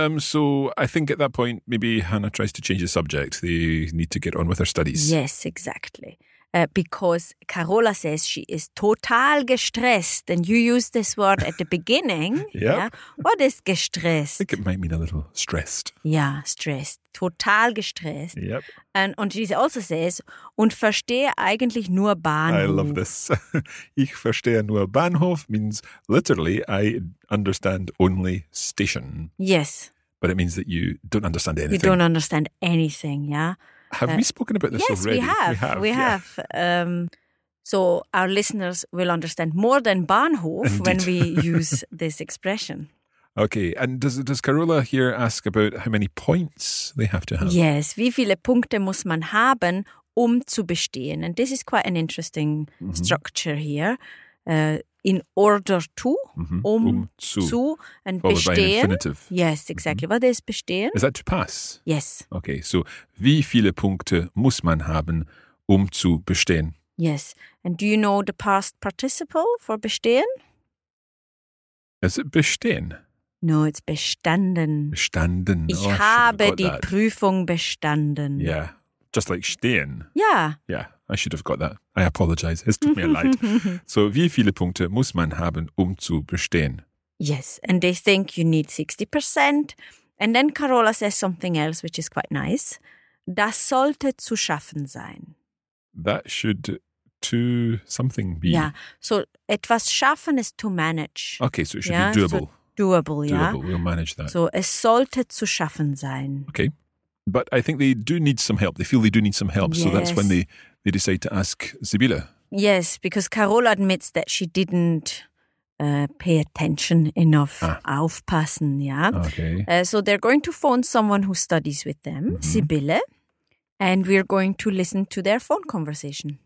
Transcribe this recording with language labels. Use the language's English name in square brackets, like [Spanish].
[English] So I think at that point, maybe Hannah tries to change the subject. They need to get on with her studies. Yes, exactly. Because Carola says she is total gestresst. And you used this word at the beginning. yep. Yeah. What is gestresst? I think it might mean a little stressed. Yeah, stressed. Total gestresst. Yep. And she also says, und verstehe eigentlich nur Bahnhof. I love this. Ich verstehe nur Bahnhof means literally, I understand only station. Yes. But it means that you don't understand anything. You don't understand anything, yeah. Have we spoken about this yes, already? Yes, we have. So our listeners will understand more than Bahnhof Indeed. When we use this expression. Okay, and does Carola here ask about how many points they have to have? [German] Yes, wie viele Punkte muss man haben, zu bestehen? [English] And this is quite an interesting mm-hmm. structure here. In order to, mm-hmm. [German] zu, [English] and followed [German] bestehen. [English] By an infinitive. Yes, exactly. Mm-hmm. What is bestehen? Is that to pass? Yes. [German] Okay, so wie viele Punkte muss man haben, zu bestehen? [English] Yes. And do you know the past participle for bestehen? Is it bestehen? No, it's bestanden. [German] Bestanden. Ich [English] oh, [German] habe die [English] that. [German] Prüfung bestanden. [English] Yeah, just like stehen. Yeah. Yeah. I should have got that. I apologize. It took me a light. [German] So, wie viele Punkte muss man haben, zu bestehen? [English] Yes, and they think you need 60%. And then Carola says something else, which is quite nice. [German] Das sollte zu schaffen sein. [English] That should to something be. Yeah, so etwas schaffen is to manage. Okay, so it should be doable. So doable, yeah. Doable, we'll manage that. [German] So, es sollte zu schaffen sein. [English] Okay, but I think they do need some help. They feel they do need some help, yes. So that's when they decide to ask Sibylle. Yes, because Carola admits that she didn't pay attention enough, aufpassen, yeah? Okay. So they're going to phone someone who studies with them, mm-hmm. Sibylle, and we're going to listen to their phone conversation.